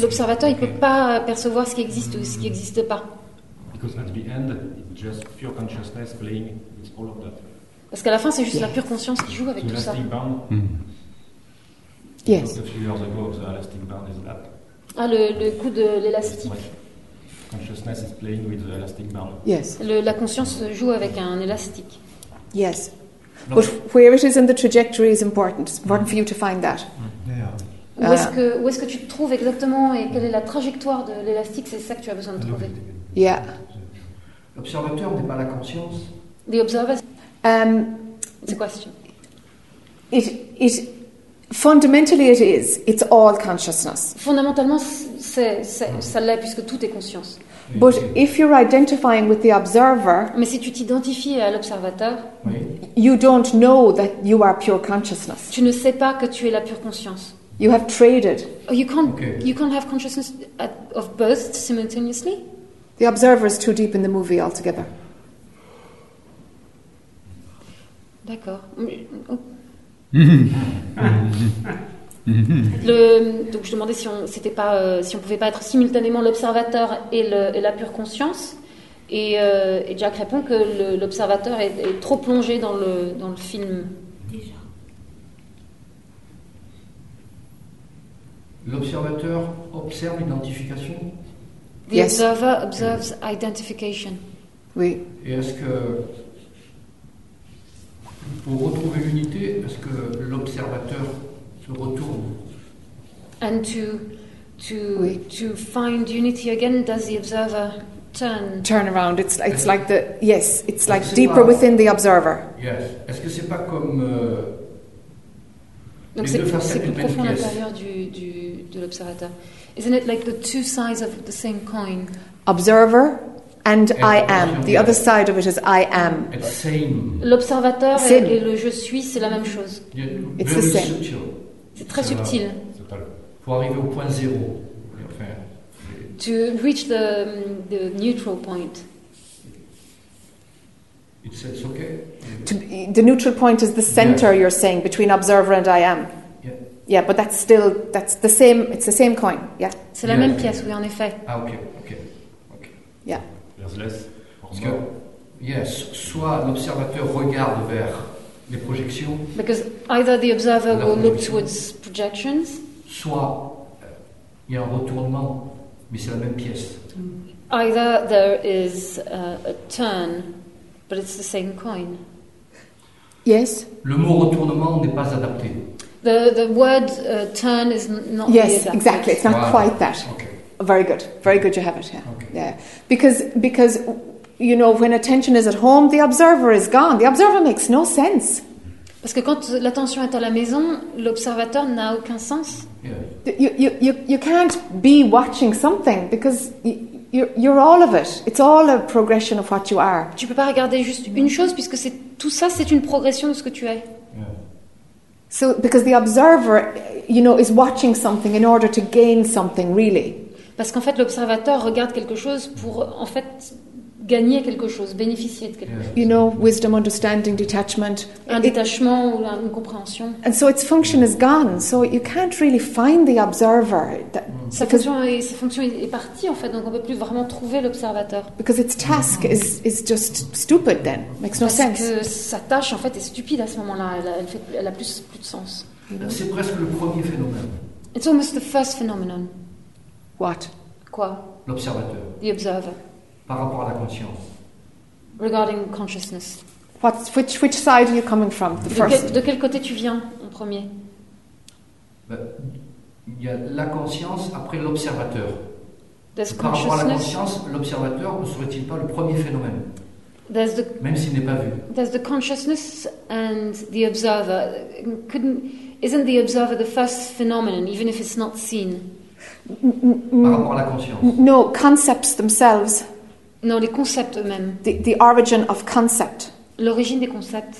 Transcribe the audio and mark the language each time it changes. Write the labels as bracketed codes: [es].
[fr] L'observateur, il peut pas percevoir ce qui existe ou ce qui n'existe pas. [en] Because at the end, it's just pure consciousness playing. It's all of that. [fr] Parce qu'à la fin, c'est juste la pure conscience qui joue avec [en] so [fr] tout ça. [en] Yes. A few years ago, the elastic band is that. [fr] Ah, le coup de l'élastique. [en] Consciousness is playing with the elastic band. Yes. [fr] La conscience joue avec un élastique. [en] Yes. No. But where it is in the trajectory is important. It's important for you to find that. Yeah. [fr] Où est-ce que tu te trouves exactement et quelle est la trajectoire de l'élastique, c'est ça que tu as besoin de trouver. [en] Yeah. [fr] L'observateur n'est pas la conscience. [en] The observer. It's a question. It fundamentally it is. It's all consciousness. [fr] Fondamentalement, c'est ça l'est puisque tout est conscience. [en] But if you're identifying with the observer, [fr] mais si tu t'identifies à l'observateur, [en] you don't know that you are pure consciousness. [fr] Tu ne sais pas que tu es la pure conscience. [en] You have traded. Oh, you can't have consciousness of both simultaneously. The observer is too deep in the movie altogether. [fr] D'accord. Donc je demandais si on pouvait pas être simultanément l'observateur et la pure conscience. Et Jack répond que l'observateur est trop plongé dans le film. Déjà. L'observateur observe l'identification. [en] The observer observes identification. [fr] Oui. Et est-ce que pour retrouver l'unité, est-ce que l'observateur se retourne? [en] And to find unity again, does the observer turn around? It's like deeper within the observer. Yes. [fr] Est-ce que c'est pas comme donc les deux facettes c'est plus profond à l'intérieur de l'observateur? [en] Isn't it like the two sides of the same coin? Observer. And I am. The other side of it is I am. It's same. [fr] L'observateur [en] same. [fr] Et le je suis, c'est la même chose. [en] Yeah, it's the same. [fr] Subtil. C'est très subtil. Pour arriver au point zéro. [en] To reach the neutral point. It's okay. The neutral point is the center, you're saying, between observer and I am. Yeah. Yeah, but that's still, that's the same, it's the same coin. Yeah. [fr] C'est la même pièce, oui, en effet. [en] Ah, okay. Yeah. Less. [fr] Que, [en] yes, [fr] soit l'observateur regarde vers les projections. [en] Because either the observer will look towards projections. [fr] Soit il y a un retournement, mais c'est la même pièce. [en] Either there is a turn, but it's the same coin. Yes. [fr] Le mot retournement n'est pas adapté. [en] The word turn is not. Yes, exactly. It's not quite that. Okay. Very good. Very good. You have it. Yeah. Okay. Yeah. Because you know, when attention is at home, the observer is gone. The observer makes no sense. [fr] Parce que quand l'attention est à la maison, l'observateur n'a aucun sens. [en] Yeah. You can't be watching something because you're all of it. It's all a progression of what you are. [fr] Tu peux pas regarder juste une chose puisque c'est tout ça, c'est une progression de ce que tu es. [en] Yeah. So because the observer, you know, is watching something in order to gain something really. [fr] Parce qu'en fait, l'observateur regarde quelque chose pour, en fait, gagner quelque chose, bénéficier de quelque chose. [en] You know, wisdom, understanding, detachment. [fr] Un détachement ou une compréhension. [en] And so its function is gone. So you can't really find the observer. [fr] Sa fonction est partie, en fait, donc on ne peut plus vraiment trouver l'observateur. [en] Because its task is just stupid then. Makes no sense. [fr] Parce que sa tâche, en fait, est stupide à ce moment-là. Elle a plus de sens. C'est presque le premier phénomène. [en] It's almost the first phenomenon. What? [fr] Quoi? L'observateur. [en] The observer. [fr] Par rapport à la conscience. [en] Regarding consciousness. What? Which side are you coming from? The [fr] de [en] first. [fr] De quel côté tu viens en premier? Il y a la conscience après l'observateur. [en] There's consciousness. [fr] Par rapport à la conscience, l'observateur ne serait-il pas le premier phénomène? [en] There's the, [fr] même s'il n'est pas vu. [en] There's the consciousness and the observer. Couldn't, isn't the observer the first phenomenon, even if it's not seen? [fr] Par rapport à la conscience. [en] No, concepts themselves. [fr] Non, les concepts eux-mêmes. [en] The origin of concept. [fr] L'origine des concepts.